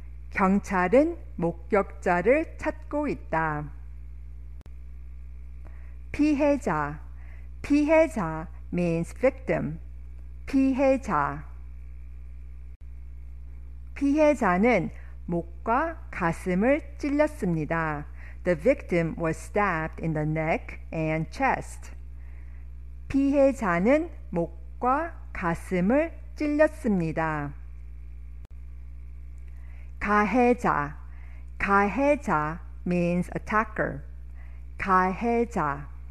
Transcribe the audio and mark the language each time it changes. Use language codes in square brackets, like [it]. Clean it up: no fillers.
[ko] 경찰은 목격자를 찾고 있다. 피해자. 피해자 [en] means victim. [ko] 피해자. 피해자는 목과 가슴을 찔렸습니다. [en] The victim was stabbed in the neck and chest. [ko] 피해자는 목과 가슴을 찔렸습니다. 가해자. 가해자 [en] means attacker. [ko] 가해자.